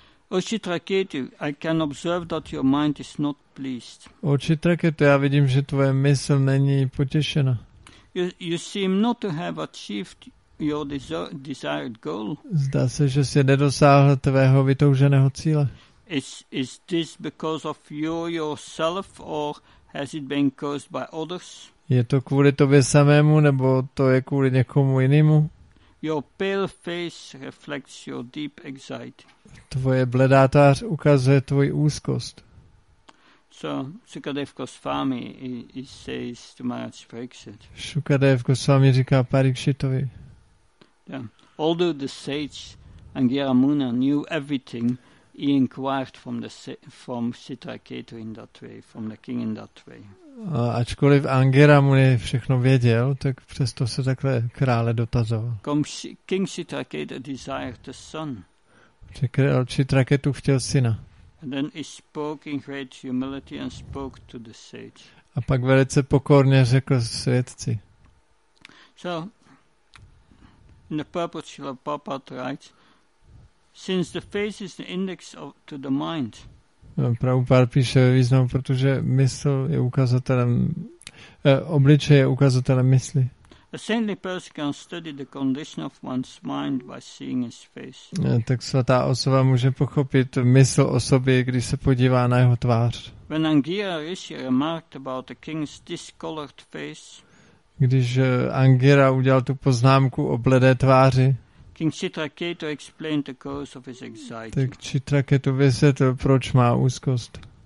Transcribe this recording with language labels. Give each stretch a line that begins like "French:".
English: O Chitraketu, I can observe that your mind is not pleased.
Czech: O Chitraketu, já vidím, že tvoje mysl není potěšena.
English: You seem not to have achieved your desired goal.
Czech: Zdá se, že jsi nedosáhl tvého vytouženého cíle.
English: Is this because of you yourself or has it been caused by others?
Czech: Je to kvůli tobě samému nebo to je kvůli někomu jinému?
English: Your pale face reflects your deep anxiety.
Czech: Tvoje bledá tvář ukazuje tvoji úzkost.
English: So Sukadev Goswami he says to Maharaj Parikshit.
Czech: Sukadev Goswami říká Parikshitovi.
English: Yeah. Although the sage Angira Muni knew everything, he inquired from Chitraketu in that way, from the king in that way.
Czech: Ačkoliv Angira Muni všechno věděl, tak přesto se takhle krále dotazoval.
English: King Chitraketu desired the son.
Czech: Král Chitraketu chtěl syna.
English: And then he spoke in great humility and spoke to the sage.
Czech: A pak velice pokorně řekl světci.
English: So, in the purport Srila Prabhupada writes, since the face is the index of to the mind.
Czech: Prabhupada píše ve významu, protože mysl je ukazatelem, obličej je ukazatelem mysli.
English: A saintly person can study the condition of one's mind by seeing his face.
Czech: Tak svatá osoba může pochopit mysl osoby, když se podívá na jeho tvář.
English: When Angira Rishi remarked about the king's discolored face,
Czech: když Angira udělal tu poznámku o bledé tváři,
English: King Chitraketu explained the cause of his anxiety.
Czech: Tak Chitraketu vysvětlil, proč má úzkost.